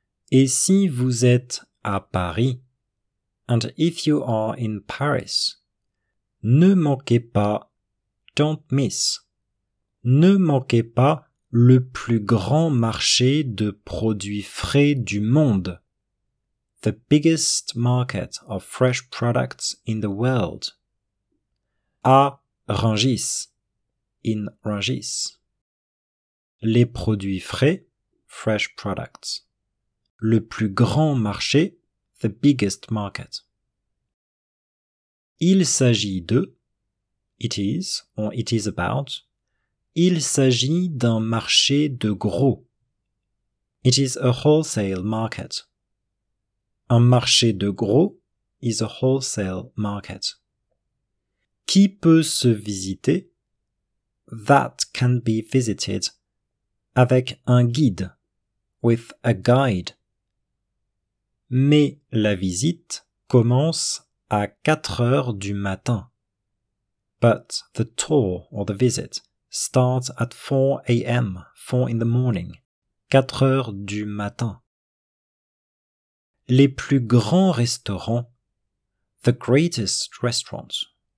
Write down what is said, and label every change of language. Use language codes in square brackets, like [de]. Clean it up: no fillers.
[fr] Et si vous êtes à Paris. [en] And if you are in Paris, [fr] ne manquez pas, [en] don't miss, [fr] ne manquez pas le plus grand marché de produits frais du monde. [en] The biggest market of fresh products in the world. [fr] À Rungis, [en] in Rungis. [fr] Les produits frais, [en] fresh products. [fr] Le plus grand marché, [en] the biggest market. [fr] Il s'agit de, [en] it is, or it is about, [fr] il s'agit d'un marché de gros. [en] It is a wholesale market. [fr] Un marché de gros [en] is a wholesale market. [fr] Qui peut se visiter? [en] That can be visited [fr] avec un guide, [en] with a guide. [fr] Mais la visite commence à 4h du matin. [en] But the tour or the visit starts at 4 a.m. 4 in the morning. [fr] 4h du matin. Les plus grands restaurants, [en] the greatest restaurants,